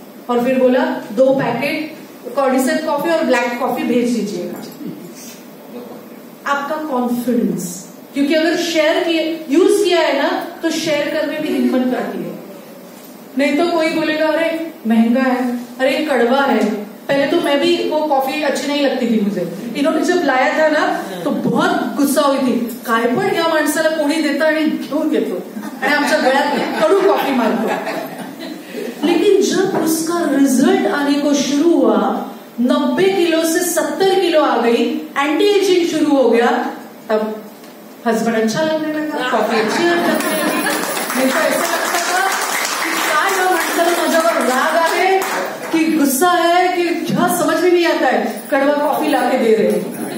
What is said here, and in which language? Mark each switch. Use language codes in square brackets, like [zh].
[hi] और फिर बोला 2 पैकेट कॉर्डिसेप कॉफी और ब्लैक कॉफी भेज दीजिएगा। आपका कॉन्फिडेंस, क्योंकि अगर शेयर किए यूज किया है ना तो शेयर करने में हिम्मत आती है, नहीं तो कोई बोलेगा अरे महंगा है, अरे कड़वा है, पहले तो मैं भी वो कॉफी अच्छी नहीं लगती थी मुझे, इन्होंने जब लाया था ना तो बहुत गुस्सा हुई थी, [mr] काय पण या माणसाला कोणी देतं आणि घेऊन घेतो आणि आमच्या गळ्यात कडू कॉफी मारतो. [hi] लेकिन जब उसका रिजल्ट आने को शुरू हुआ, 90 किलो से 70 किलो आ गई, एंटी एजिंग शुरू हो गया, तब हस्बैंड अच्छा लगने लगा, कॉफी अच्छी लगने लगी. ऐसा लगता था माणसाला मजा पर राग आए कि गुस्सा है कि क्या समझ में नहीं आता है, कड़वा कॉफी लाके दे रहे.